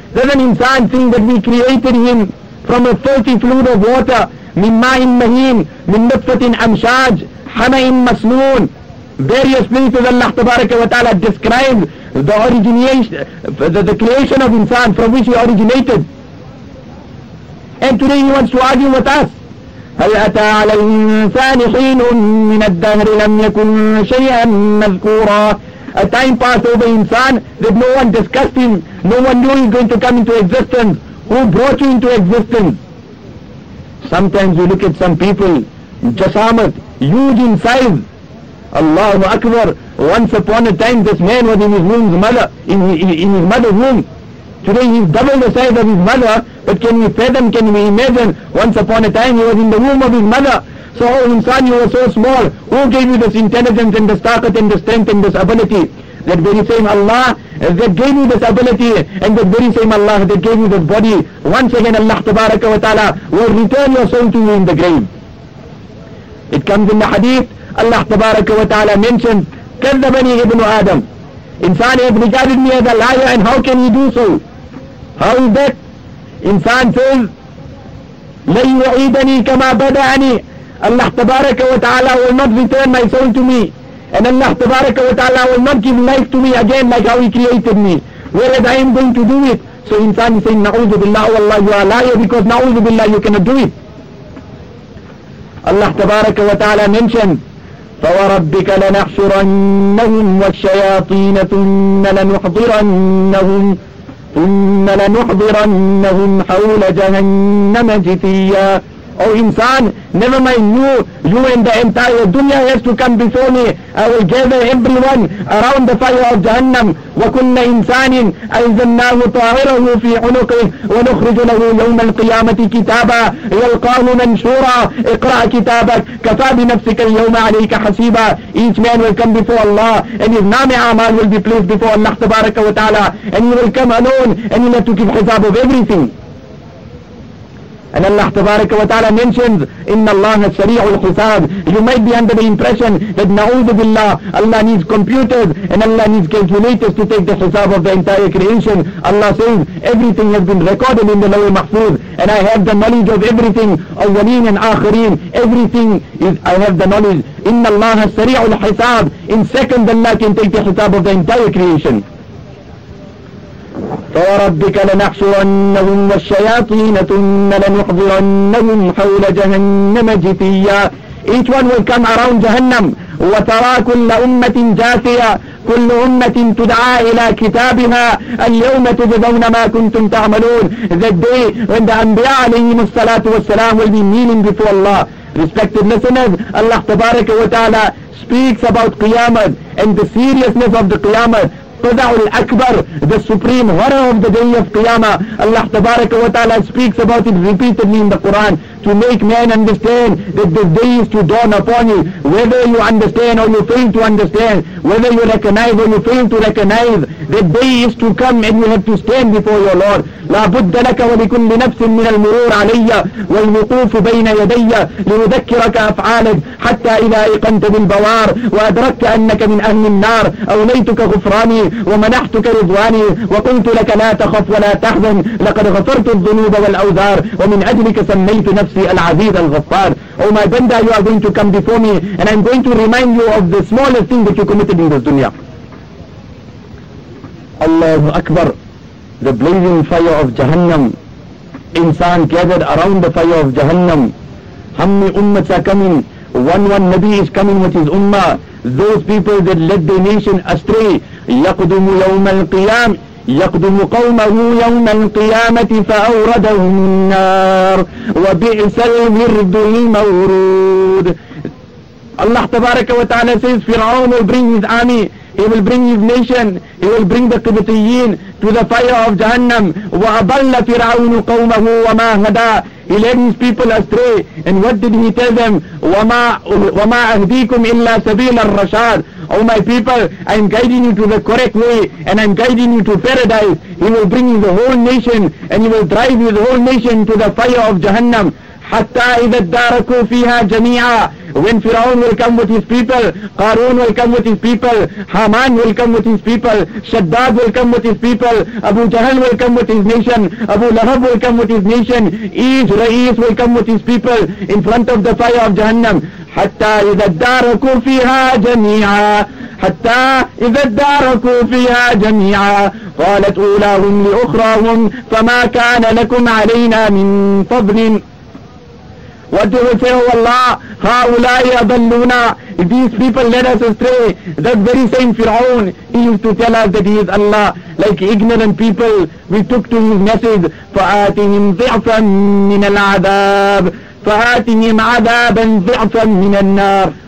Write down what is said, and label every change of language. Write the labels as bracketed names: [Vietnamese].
[English] Does an insan think that we created him from a filthy fluid of water, [Arabic] مِنْ مَاءٍ مَهِينٍ مِنْ نُطْفَةٍ أَمْشَاجٍ حَمَئٍ مَسْنُونٍ. [English] Various places Allah tabaraka wa ta'ala describes the origination, the creation of insan from which he originated. And today he wants to argue with us. [Arabic] هل أتى على الإنسان حين من الدهر لم يكن شيئا مذكورا. [English] A time passed over insan that no one discussed him, no one knew he's going to come into existence. Who brought you into existence? Sometimes you look at some people, jasamat, huge in size. Allahu Akbar, once upon a time this man was in his womb's mother, in his mother's womb. Today he's double the size of his mother, but can we fathom, can we imagine, once upon a time he was in the womb of his mother. So, oh insan, you were so small, who gave you this intelligence and this taqat and this strength and this ability? That very same Allah that gave you this ability, and that very same Allah that gave you this body, once again Allah tabaraka wa ta'ala will return your soul to you in the grave. It comes in the hadith, Allah tabaraka wa ta'ala mentions, [Arabic] كَذَّبَنِي إِبْنُ Adam. [English] Insan has regarded me as a liar, and how can he do so? How is that? Insan says, [Arabic] لَيُعِيدَنِي كَمَا بَدَعَنِي. [English] Allah tabaraka wa ta'ala will not return my soul to me. And Allah tabaraka wa ta'ala will not give life to me again like how he created me. Whereas I am going to do it. So insan is saying, na'udhu billah, oh Allah, you are a liar, because na'udhu billah, you cannot do it. Allah tabaraka wa ta'ala mentioned, [Arabic] فَوَرَبِّكَ لَنَحْشُرَنَّهُمْ وَالشَّيَاطِينَ ثُمَّ لَنُحْضِرَنَّهُمْ حَوْلَ جَهَنَّمَ جِثِيًّا. [English] Oh insan, never mind you and the entire dunya has to come before me. I will gather everyone around the fire of Jahannam. [Arabic] وَكُنَّ إِنسَانٍ أَيْزَنَّاهُ طَاعِرَهُ فِي عُنُقِهِ وَنُخْرِجُ لَهُ يَوْمَ الْقِيَامَةِ كِتَابًا يَلْقَاهُ مَنْشُورًا اِقْرَأَ كِتَابَكَ كَفَى بِنَفْسِكَ الْيَوْمَ عَلَيْكَ حَسِيبًا. [English] Each man will come before Allah, and his name amal will be placed before Allah tabaraka wa ta'ala, and he will come alone, and he will have to give hisab of everything. And Allah tabaraka wa ta'ala mentions, [Arabic] إن الله سريع الحساب. [English] You might be under the impression that na'udhu billah, Allah needs computers and Allah needs calculators to take the hisab of the entire creation. Allah says, everything has been recorded in the Lawh Mahfuz, and I have the knowledge of everything, awwaleen and akhireen. Everything is, I have the knowledge. [Arabic] إن الله سريع الحساب. [English] In seconds Allah can take the hisab of the entire creation. [Arabic] فوربك لنحشرنهم والشياطين ثم لنحضرنهم حول جهنم جثيا. [English] Each one will come around Jahannam. [Arabic] وترى كل أمة جاثية. كل أمة تدعى إلى كتابها اليوم تجزون ما كنتم تعملون. [English] That day when the Anbiya [Arabic] عليهم الصلاة والسلام [English] will be kneeling before Allah. Respected listeners, Allah [Arabic] تبارك وتعالى [English] speaks about Qiyamah and the seriousness of the Qiyamah. Tada'ul Akbar, the supreme horror of the day of Qiyamah. Allah tabaraka wa ta'ala speaks about it repeatedly in the Quran to make man understand that this day is to dawn upon you. Whether you understand or you fail to understand, whether you recognize or you fail to recognize, that day is to come and you have to stand before your Lord. [Arabic] لا بد لك ولكل نفس من المرور علي والوقوف بين يدي لنذكرك أفعالك حتى إذا أيقنت بالبوار وأدركت أنك من أهل النار أوليتك غفراني ومنحتك رضواني وقلت لك لا تخف ولا تحزن لقد غفرت الذنوب والأوزار ومن أجلك سميت نفسي العزيز الغفار. [English] Oh my banda, you are going to come before me, and I'm going to remind you of the smallest thing that you committed in this dunya. Allahu Akbar. The blazing fire of Jahannam. Insan gathered around the fire of Jahannam. Hammi ummats are coming. One Nabi is coming with his ummah. Those people that led the nation astray. [Arabic] يقدم يوم القيام يقدم قومه يوم القيامة فأوردهم النار وبئس الورد المورود. [English] Allah [Arabic] تبارك وتعالى [English] says, Fir'aun will bring his army. He will bring his nation. He will bring the Qibtiyin to the fire of Jahannam. [Arabic] وَأَضَلَّ فِرْعَوْنُ قَوْمَهُ وَمَا هَدَى. [English] He led his people astray. And what did he tell them? [Arabic] وَمَا أَهْدِيكُمْ إِلَّا سَبِيلَ الرَّشَادِ. [English] Oh my people, I am guiding you to the correct way, and I am guiding you to paradise. He will bring you the whole nation, and he will drive you the whole nation to the fire of Jahannam. [Arabic] حَتَّى إِذَا دَارَكُوا فِيهَا جَمِيعًا. [English] When Fir'aun will come with his people, Qarun will come with his people, Haman will come with his people, Shaddad will come with his people, Abu Jahl will come with his nation, Abu Lahab will come with his nation, each Ra'is will come with his people in front of the fire of Jahannam. [Arabic] حَتَّى إِذَا دَارَكُوا فِيهَا جَمِيعًا. حتى إذا اداركوا فيها جميعا قالت أولاهم لأخراهم فما كان لكم علينا من فضل. [English] What do we say, O Allah? [Arabic] هَاُولَٰئِ أَضَلُّونَا. [English] These people led us astray. That very same Fir'aun, he used to tell us that he is Allah. Like ignorant people, we took to his message. [Arabic] فَآتِهِمْ ضِعْفًا مِّنَ الْعَذَابِ فَآتِهِمْ عَذَابًا ضِعْفًا مِّنَ النَّارِ.